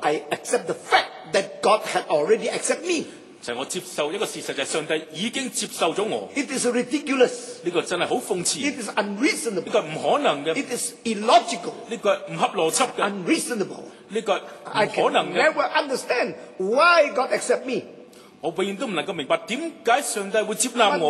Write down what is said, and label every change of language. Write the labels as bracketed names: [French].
[English] I accept the fact that God had already accept me， [Chinese] 就是我接受一个事实，就是上帝已经接受了我。 [English] It is ridiculous， [Chinese] 这个真的很讽刺。 [English] It is unreasonable， [Chinese] 这个不可能的。 [English] It is illogical， [Chinese] 这个不合逻辑的。 [English] Unreasonable， [Chinese] 这个不可能的。 [English] I can never understand why God accept me， [Chinese] 我永远都不能够明白为什么上帝会接纳我。